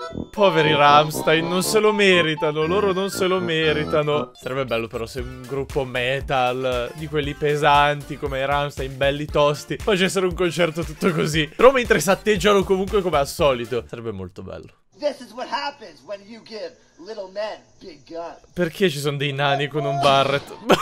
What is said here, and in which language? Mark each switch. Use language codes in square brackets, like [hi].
[it] Poveri Rammstein, non se lo meritano. Loro non se lo meritano. Sarebbe bello però se un gruppo metal di quelli pesanti come Rammstein, belli tosti, facessero un concerto tutto così. Però mentre s'atteggiano comunque come al solito, sarebbe molto bello. [en] This is what happens when you give little men big guns. [it] Perché ci sono dei nani con un Barrett?